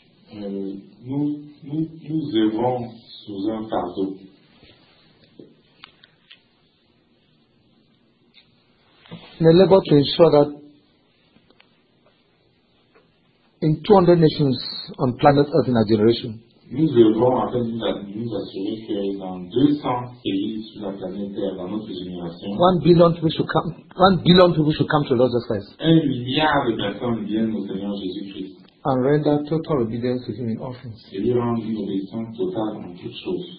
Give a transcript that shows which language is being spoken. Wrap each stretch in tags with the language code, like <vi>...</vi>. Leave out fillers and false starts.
<fr>Nous œuvrons sous un fardeau.</fr> <en>The labor to ensure that in 200 nations on planet Earth in our generation,</en> <fr>nous œuvrons afin de nous assurer que dans 200 pays sur la planète Terre, dans notre génération,</fr> <en>1 billion people should come to Lord Jesus Christ.</en> <fr>1 milliard de personnes viennent au Seigneur Jésus-Christ.</fr> <en>And render total obedience to Him in all things.</en> <fr>Et lui rendre une obéissance totale en toutes choses.</fr>